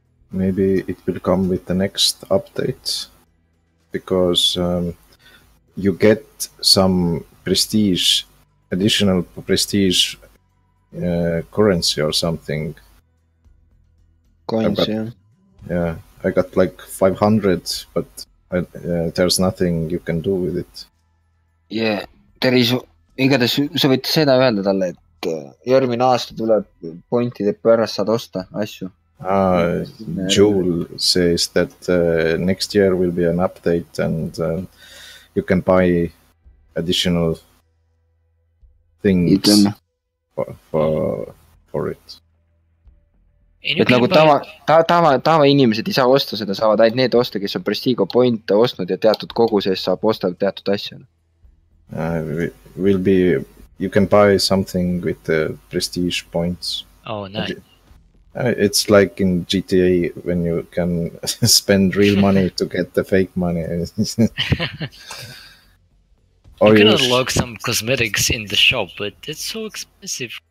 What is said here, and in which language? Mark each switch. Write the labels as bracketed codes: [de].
[en] Maybe it will come with the next update, because you get some prestige, additional prestige currency or something. Coins, got, yeah. I got like 500, but there's nothing you can do with it. Yeah, there is. [et] Igates, sa võid seda öelda talle, et järgmine aasta tuleb pointi, et pärast saad osta asju. [en] Jewel says that next year will be an update and you can buy additional things for it. [et] Et nagu tava inimesed ei saa osta seda, saavad ainult need osta, kes on Prestigo Point ostnud ja teatud koguses saab osta teatud asja. [en] Will be, you can buy something with the prestige points. Oh, nice. It's like in GTA when you can spend real money to get the fake money. you can unlock some cosmetics in the shop, but it's so expensive.